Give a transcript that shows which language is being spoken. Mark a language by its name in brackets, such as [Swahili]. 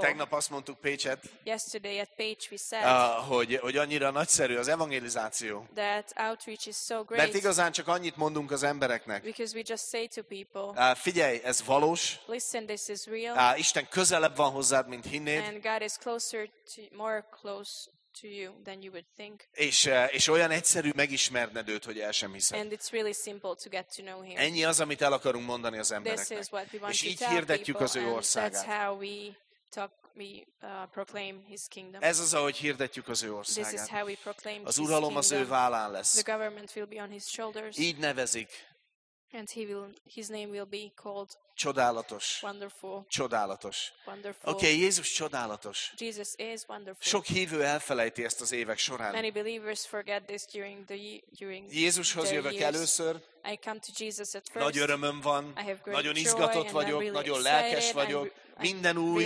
[Hungarian] Tegnap azt mondtuk Pécset, [English] yesterday at Page we said, [Hungarian] hogy annyira nagyszerű az evangelizáció, [English] that outreach is so great, [Hungarian] mert igazán csak annyit mondunk az embereknek. [English] Because we just say to people, [Hungarian] figyelj, ez valós, [English] listen, this is real, [Hungarian] Isten közelebb van hozzád, mint hinnéd, [English] and God is closer to, more close to you than you would think. [Hungarian] És olyan egyszerű megismerned őt, hogy el sem hiszed. [English] And it's really simple to get to know him. [Hungarian] Ennyi az, amit el akarunk mondani az embereknek. És így hirdetjük az ő országát. [English] That's how we talk, we proclaim his kingdom. [Hungarian] Ez az, ahogy hirdetjük az ő országát. [English] This is how we proclaim [Hungarian] az uralom [English] his kingdom. [Hungarian] Az ő vállán lesz. [English] The government will be on his shoulders. [Hungarian] Így nevezik. [English] And he will, his name will be called [Hungarian] Csodálatos. [English] Wonderful. [Hungarian] Csodálatos. [English] Wonderful. [Hungarian] Oké, okay, Jézus csodálatos. [English] Jesus is wonderful. [Hungarian] Sok hívő elfelejti ezt az évek során. [English] Many believers forget this during the during. [Hungarian] Jézushoz jövök először. [English] I come to Jesus at first. [Hungarian] Nagy örömöm van. [English] I have great [Hungarian] nagyon izgatott [English] joy, [Hungarian] vagyok, [English] really [Hungarian] nagyon lelkes vagyok. Minden új.